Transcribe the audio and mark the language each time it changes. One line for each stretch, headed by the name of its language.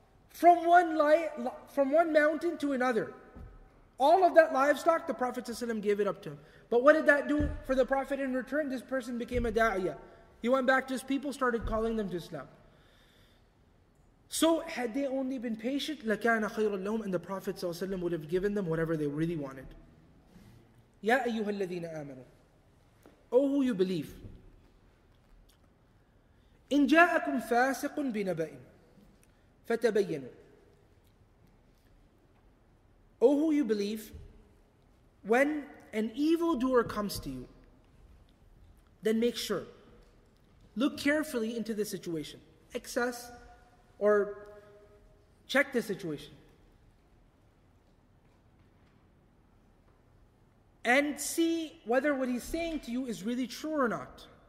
English: From one mountain to another. All of that livestock, the Prophet ﷺ gave it up to him. But what did that do for the Prophet in return? This person became a da'iyah. He went back to his people, started calling them to Islam. So had they only been patient,
Arabic: لَكَانَ خَيْرٌ لَهُمْ,
English: and the Prophet ﷺ would have given them whatever they really wanted.
Arabic: يَا أَيُّهَا الَّذِينَ آمَنُوا,
English: O who you believe,
Arabic: إِنْ جَاءَكُمْ فَاسِقٌ بِنَبَئٍ فَتَبَيَّنُوا.
English: O who you believe, when an evildoer comes to you, then make sure, look carefully into the situation, excess, or check the situation, and see whether what he's saying to you is really true or not.